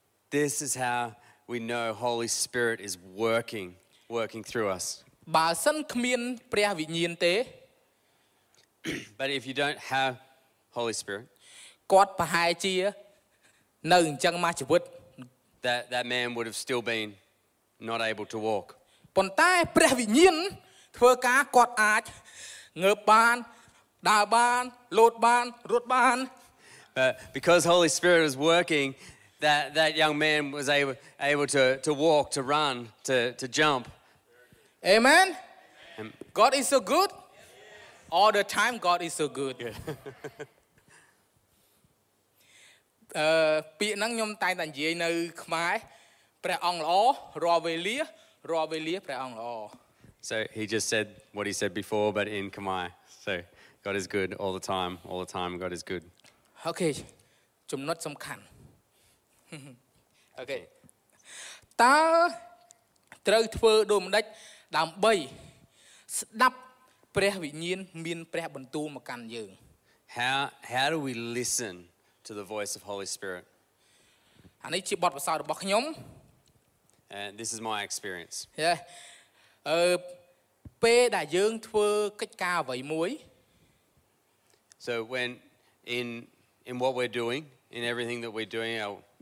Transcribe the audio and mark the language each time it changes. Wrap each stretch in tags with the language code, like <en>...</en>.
<en>This is how we know Holy Spirit is working through us.</en> <km>បើសិនគ្មានព្រះវិញ្ញាណទេ</km> <en>But if you don't have Holy Spirit</en> <km>គាត់ប្រហែលជានៅអញ្ចឹងមកជីវិត</km> <en>That man would have still been not able to walk</en> <km>ប៉ុន្តែព្រះវិញ្ញាណធ្វើការគាត់អាចងើបបានដើរបានលោតបានរត់បាន</km> <en>Because Holy Spirit is working that young man was able to walk to run to jump Amen. God is so good. All the time God is so good.</en> <km>ពាក្យហ្នឹងខ្ញុំតែងតែនិយាយនៅខ្មែរព្រះអង្គល្អរាល់វេលាព្រះអង្គល្អ</km> <en>So he just said what he said before but in Khmer. So God is good all the time God is good.</en> <km>Okay. ចំណុចសំខាន់ Okay. តើត្រូវធ្វើដូចម្ដេចដើម្បីស្ដាប់ព្រះវិញ្ញាណមានព្រះបន្ទូលមកកាន់យើង</km> <en>How do we listen to the voice of Holy Spirit?</en> <km>អានេះជាបទពិសោធន៍របស់ខ្ញុំ</km> <en>And this is my experience. Yeah.</en> <km>ពេលដែលយើងធ្វើកិច្ចការអ្វីមួយ</km> <en>So when in what we're doing, in everything that we're doing out</en>